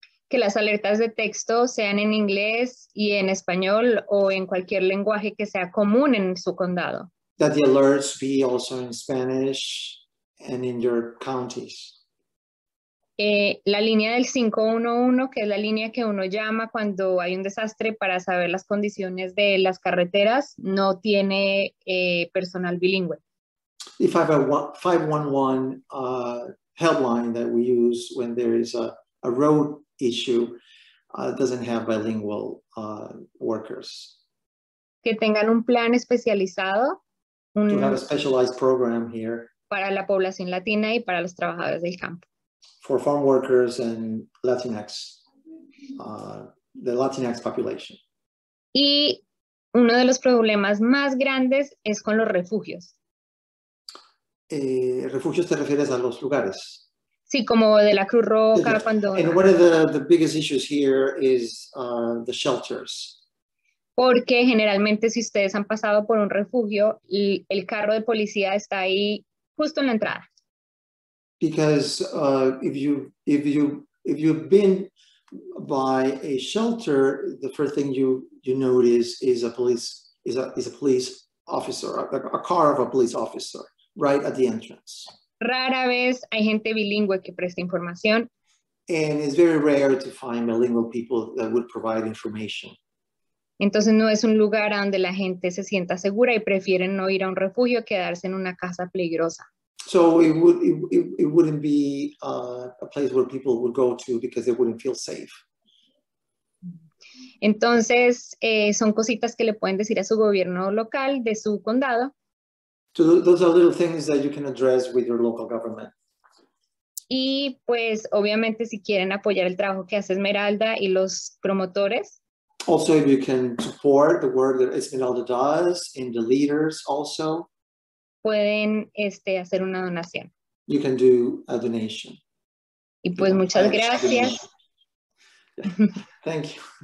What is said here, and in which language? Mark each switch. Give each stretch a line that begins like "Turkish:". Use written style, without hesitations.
Spanish: Que las alertas de texto sean en inglés y en español o en cualquier lenguaje que sea común en su condado.
English: That the alerts be also in Spanish and in your counties.
Spanish: La línea del 511, que es la línea que uno llama cuando hay un desastre para saber las condiciones de las carreteras, no tiene personal bilingüe.
English: The 511 helpline that we use when there is a road issue doesn't have bilingual workers.
Spanish: Que tengan un plan especializado.
English: To have a specialized program here.
Spanish: Para la población latina y para los trabajadores del campo.
English: For farm workers and Latinx, the Latinx population.
Spanish: Y uno de los problemas más grandes es con los refugios. ¿Refugios te refieres a los lugares? Sí, como de la Cruz Roja, yeah. Cuando...
English: And one of the biggest issues here is the shelters.
Spanish: Porque generalmente si ustedes han pasado por un refugio, el carro de policía está ahí justo en la entrada.
English: Because if you've been by a shelter, the first thing you notice is a police officer, a car of a police officer right at the entrance.
Spanish: Rara vez hay gente bilingüe que presta información.
English: And it's very rare to find bilingual people that would provide information.
Spanish: Entonces no es un lugar donde la gente se sienta segura y prefieren no ir a un refugio quedarse en una casa peligrosa.
English: So it wouldn't be a place where people would go to because they wouldn't feel safe.
Spanish: Entonces, son cositas que le pueden decir a su gobierno local de su condado.
English: So those are little things that you can address with your local government.
Spanish: Y pues, obviamente, si quieren apoyar el trabajo que hace Esmeralda y los promotores.
English: Also, if you can support the work that Esmeralda does and the leaders also.
Spanish: Pueden hacer una donación.
English: You can do a donation.
Spanish: Y pues muchas gracias.
English: Thank you.